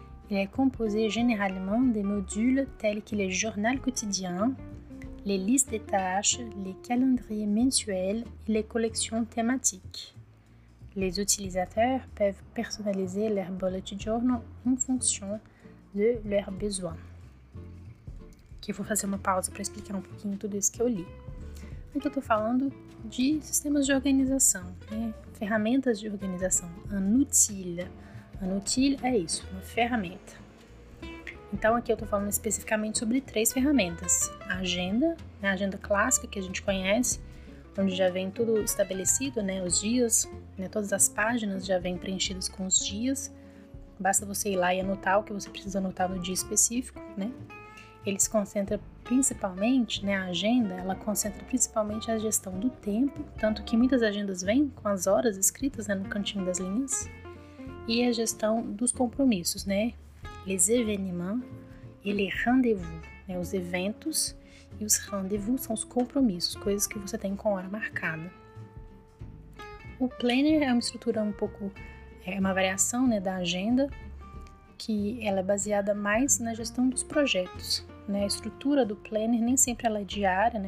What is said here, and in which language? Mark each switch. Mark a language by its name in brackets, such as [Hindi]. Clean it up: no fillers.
[French] Il est composé généralement des modules tels que les journaux quotidiens, les listes des tâches, les calendriers mensuels et les collections thématiques. Les utilisateurs peuvent personnaliser leur bullet journal en fonction de leurs besoins. [Portuguese] Aqui, vou fazer uma pausa para explicar um pouquinho tudo isso que eu li. Aqui eu estou falando de sistemas de organização, né? Ferramentas de organização, un outil. Um outil é isso, uma ferramenta. Então, aqui eu estou falando especificamente sobre 3 ferramentas. A agenda clássica que a gente conhece, onde já vem tudo estabelecido, né, os dias, né, todas as páginas já vêm preenchidas com os dias. Basta você ir lá e anotar o que você precisa anotar no dia específico, né? Ele se concentra principalmente, né, a agenda, ela concentra principalmente a gestão do tempo, tanto que muitas agendas vêm com as horas escritas, né, no cantinho das linhas. E a gestão dos compromissos, né? [French] Les événements et les rendez-vous, né? [Portuguese] Os eventos e os rendez-vous são os compromissos, coisas que você tem com hora marcada. O planner é uma estrutura um pouco, uma variação, né, da agenda, que ela é baseada mais na gestão dos projetos, né? A estrutura do planner nem sempre ela é diária, né?